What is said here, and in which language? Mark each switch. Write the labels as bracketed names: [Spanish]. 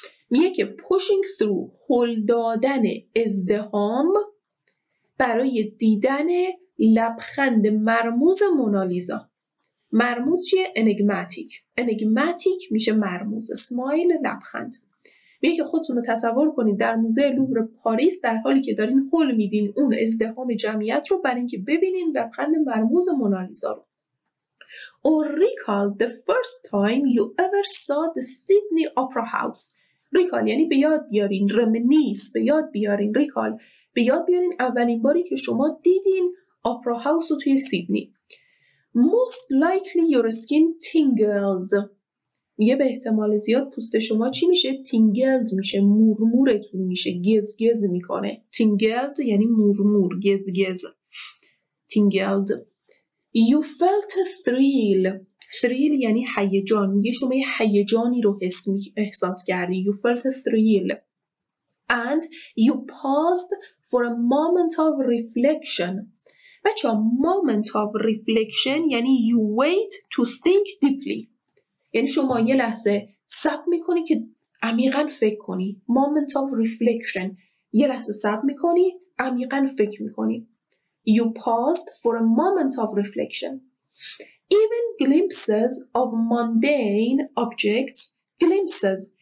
[Persian] میگه که [English] pushing through، [Persian] هل دادن ازدهام برای دیدن لبخند مرموز مونالیزا. مرموز چیه؟ enigmatic. enigmatic میشه مرموز، smile لبخند. میگه که خودتون رو تصور کنید در موزه لوور پاریس در حالی که دارین هول میدین اون ازدحام جمعیت رو برای اینکه ببینین لبخند مرموز مونالیزا رو. [English] Or recall the first time you ever saw the Sydney Opera House. [Persian] recall یعنی به یاد بیارین، reminisce به یاد بیارین، recall به یاد بیارین اولین باری که شما دیدین اپرا هاوس رو توی سیدنی. [English] Most likely your skin tingled. [Persian] میگه به احتمال زیاد پوست شما چی میشه؟ تینگلد میشه، مورمورتون میشه، گزگز میکنه. تینگلد یعنی مورمور، گزگز. تینگلد. [English] You felt a thrill. thrill [Persian] یعنی هیجان. میگه شما یه هیجانی رو احساس کردی. [English] You felt a thrill. And you paused for a moment of reflection. [Persian] بچه ها [English] moment of reflection [Persian] یعنی [English] you wait to think deeply. [Persian] یعنی شما یه لحظه صبر میکنی که عمیقا فکر کنی. [English] Moment of reflection. [Persian] یه لحظه صبر میکنی، عمیقا فکر میکنی. [English] You paused for a moment of reflection. Even glimpses of mundane objects. Glimpses.